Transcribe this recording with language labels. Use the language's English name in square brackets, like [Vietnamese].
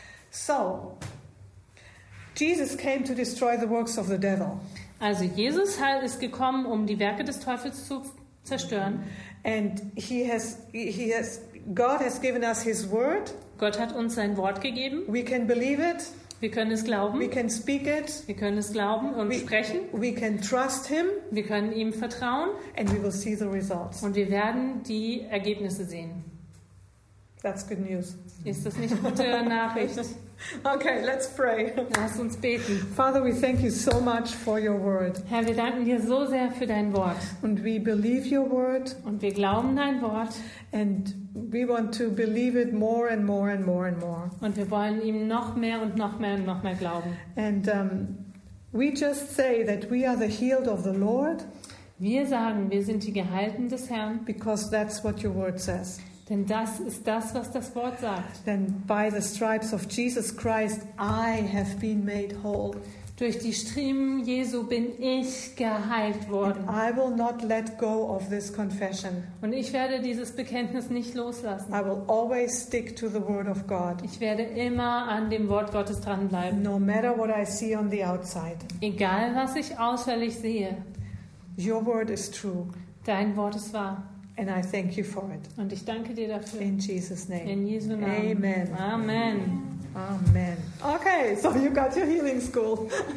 [English] So, Jesus came to destroy the works of the devil. [German] Also Jesus ist gekommen, um die Werke des Teufels zu zerstören. [English] And God has given us his word. [German] Gott hat uns sein Wort gegeben. [English] We can believe it. [German] Wir können es glauben. [English] We can speak it. [German] Wir können es glauben und sprechen. [English] We can trust him. [German] Wir können ihm vertrauen. [English] And we will see the results. [German] Und wir werden die Ergebnisse sehen. [English] That's good news. [German] Ist das nicht gute Nachricht? [English] Okay, let's pray. [German] Lass uns beten. [English] Father, we thank you so much for your word. [German] Herr, wir danken dir so sehr für dein Wort. [English] And we believe your word. [German] Und wir glauben dein Wort. [English] And we want to believe it more and more and more and more. [German] Und wir wollen ihm noch mehr und noch mehr und noch mehr glauben. [English] And we just say that we are the healed of the Lord. [German] Wir sagen, wir sind die Geheilten des Herrn. [English] Because that's what your word says. [German] Denn das ist das, was das Wort sagt. [English] Then by the stripes of Jesus Christ, I have been made whole. [German] Durch die Striemen Jesu bin ich geheilt worden. [English] And I will not let go of this confession. [German] Und ich werde dieses Bekenntnis nicht loslassen. [English] I will always stick to the word of God. [German] Ich werde immer an dem Wort Gottes dranbleiben. [English] No matter what I see on the outside. [German] Egal, was ich äußerlich sehe. [English] Your word is true. [German] Dein Wort ist wahr. [English] And I thank you for it. [German] Und ich danke dir dafür. [English] In Jesus' name. [German] In Jesu Namen. [English] Amen. [German] Amen. [English] Amen. Okay, so you got your healing school.